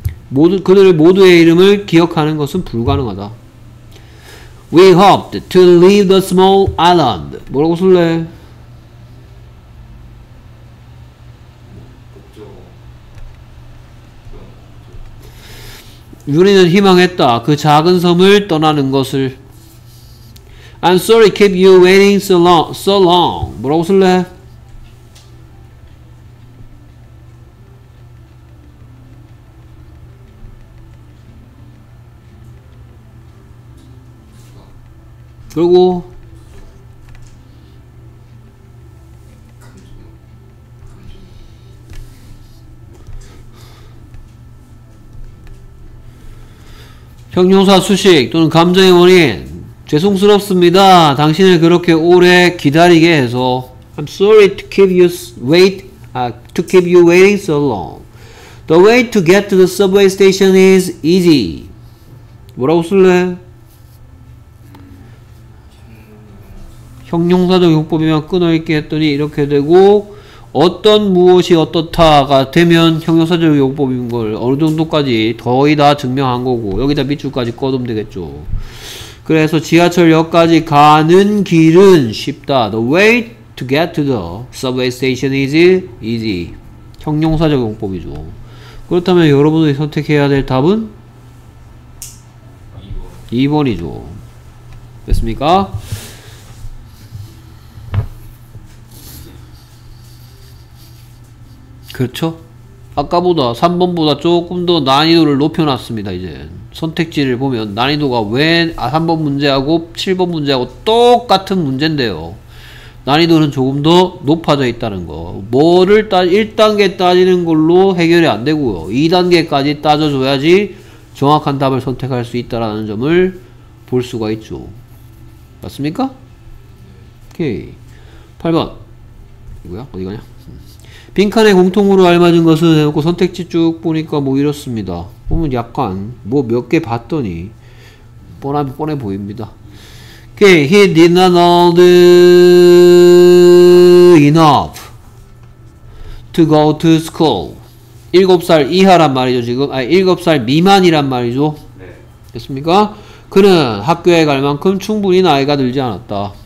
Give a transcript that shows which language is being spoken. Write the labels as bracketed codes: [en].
[ko] 모두, 그들의 모두의 이름을 기억하는 것은 불가능하다. [en] We hoped to leave the small island. [ko] 뭐라고 쓸래? 유리는 희망했다. 그 작은 섬을 떠나는 것을. [en] I'm sorry, keep you waiting so long, so long. [ko] 뭐라고 쓸래? 그리고 형용사 수식 또는 감정의 원인 죄송스럽습니다. 당신을 그렇게 오래 기다리게 해서 [en] I'm sorry to keep you wait to keep you waiting so long. The way to get to the subway station is easy. [ko] 뭐라고 쓸래? 형용사적 용법이면 끊어있게 했더니 이렇게 되고 어떤 무엇이 어떻다가 되면 형용사적 용법인 걸 어느 정도까지 거의 다 증명한 거고 여기다 밑줄까지 꺼두면 되겠죠. 그래서 지하철역까지 가는 길은 쉽다. [en] The way to get to the subway station is easy. [ko] 형용사적 용법이죠. 그렇다면 여러분이 선택해야 될 답은 2번이죠. 됐습니까? 그렇죠? 아까보다 3번보다 조금 더 난이도를 높여놨습니다. 이제 선택지를 보면 난이도가 왜 3번 문제하고 7번 문제하고 똑같은 문제인데요. 난이도는 조금 더 높아져 있다는 거. 뭐를 1단계 따지는 걸로 해결이 안 되고요. 2단계까지 따져줘야지 정확한 답을 선택할 수 있다는 점을 볼 수가 있죠. 맞습니까? 오케이. 8번. 이거야? 어디 가냐? 빈칸의 공통으로 알맞은 것은 해놓고 선택지 쭉 보니까 뭐 이렇습니다. 보면 약간 뭐 몇 개 봤더니 뻔해 보입니다. [en] Okay, he did not know the enough to go to school. [ko] 7살 이하란 말이죠, 지금. 아니, 7살 미만이란 말이죠. 됐습니까? 그는 학교에 갈 만큼 충분히 나이가 들지 않았다.